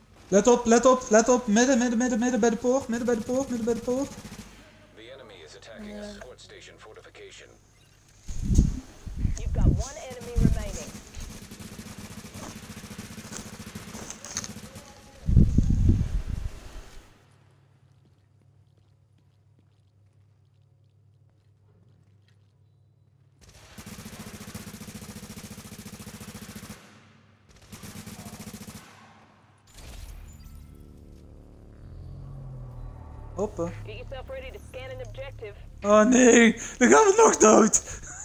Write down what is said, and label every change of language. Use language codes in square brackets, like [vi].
[nl] Let op, let op, let op, midden bij de poort, midden bij de poort. [en] The enemy is attacking a support station fortification. You've got one enemy remaining. Hoppa. Get yourself ready to scan an objective. [nl] Oh nee, dan gaan we nog dood.